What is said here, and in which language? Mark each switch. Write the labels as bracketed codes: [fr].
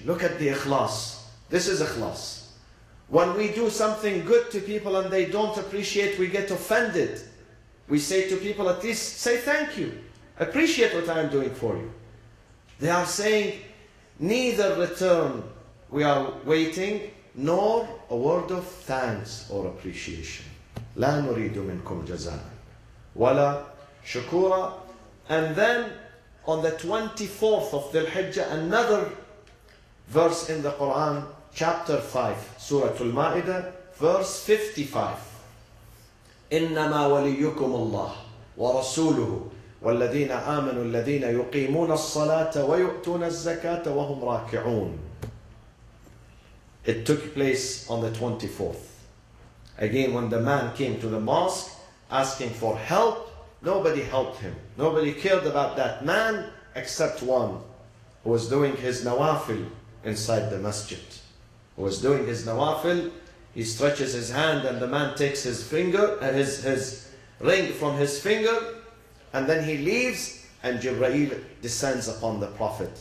[en] Look at the ikhlas. This is ikhlas. When we do something good to people and they don't appreciate, we get offended. We say to people, at least say thank you, appreciate what I am doing for you. They are saying, neither return we are waiting, nor a word of thanks or appreciation. [ar] لا نريد منكم جزانا ولا شكورا. [en] And then on the 24th of Dhul Hijjah, another verse in the Quran, chapter 5, Surah Al-Ma'idah, verse 55. [ar] إنما وليكم الله ورسوله والذين آمنوا الذين يقيمون الصلاة ويؤتون الزكاة وهم راكعون. [en] It took place on the 24th. Again, when the man came to the mosque asking for help, nobody helped him. Nobody cared about that man except one who was doing his nawafil inside the masjid. Who was doing his nawafil, he stretches his hand and the man takes his finger, his ring from his finger, and then he leaves and Jibreel descends upon the Prophet.